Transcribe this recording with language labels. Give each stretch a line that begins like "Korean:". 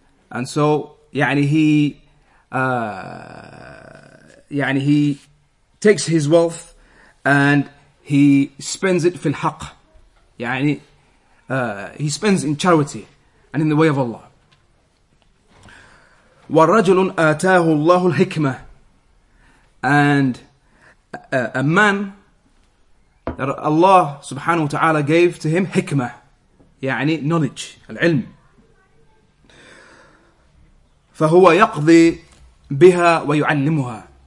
English: And so, he takes his wealth and he spends it
Arabic: في الحق.
English: He spends in charity and in the way of Allah.
Arabic: والرجل آتاه الله الحكمة.
English: And a man that Allah subhanahu wa ta'ala gave to him حكمة.
Arabic: يعني knowledge, العلم. فهو يقضي بها ويعلمها.